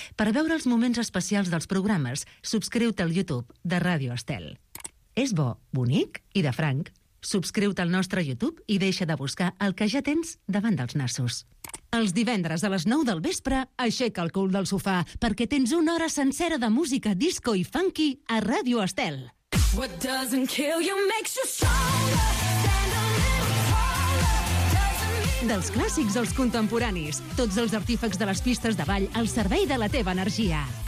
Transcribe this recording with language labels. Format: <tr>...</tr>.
<ca>Per veure els moments especials dels programes, subscriu-te al YouTube de Ràdio Estel. És bo, bonic i de franc. Subscriu-te al nostre YouTube i deixa de buscar el que ja tens davant dels nassos. Els divendres a les 9 del vespre, aixeca el cul del sofà, perquè tens una hora sencera de música, disco i funky a Ràdio Estel.</ca> <en>What doesn't kill you makes you stronger.</en> <ca>Dels clàssics als contemporanis, tots els artífexs de les pistes de ball al servei de la teva energia.</ca>